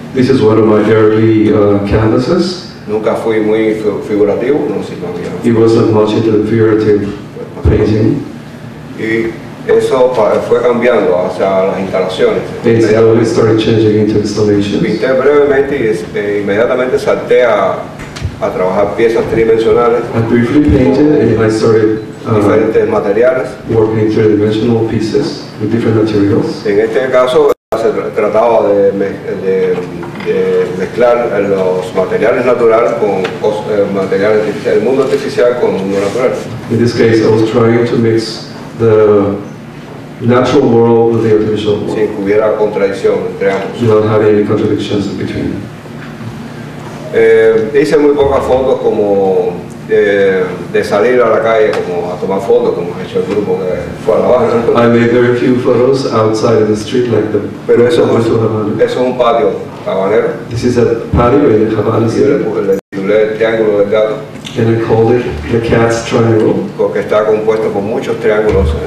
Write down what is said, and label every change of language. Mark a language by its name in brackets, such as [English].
[English] This is one of my early canvases. [Spanish] Nunca fui muy figurativo, no sé. [English] It wasn't much into the figurative painting. [Spanish] Y eso fue cambiando hacia las instalaciones. [English] Basically, it started changing into installations. [Spanish] Pinté brevemente y inmediatamente salté a trabajar piezas tridimensionales. [English] I briefly painted and then I started [Spanish] diferentes materiales. [English] Working three-dimensional pieces with different materials. [Spanish] En este caso se trataba de mezclar los materiales naturales con materiales del mundo artificial con el mundo natural. [English] In this case, I was trying to mix the natural world with the artificial world. [Spanish] Sin que hubiera contradicción entre ambos. [English] Without having any contradictions in between. [Spanish] Hice muy pocas fotos como de salir a la calle, como a tomar fotos, como ha hecho el grupo que fue a la Havana. [English] I made very few photos outside of the street like the. [Spanish] Pero eso es un patio habanero. [English] This is a patio in Havana City. [Spanish] Le triángulo del gato. [English] And I called it the cat's triangle. [Spanish] Porque está compuesto por muchos triángulos.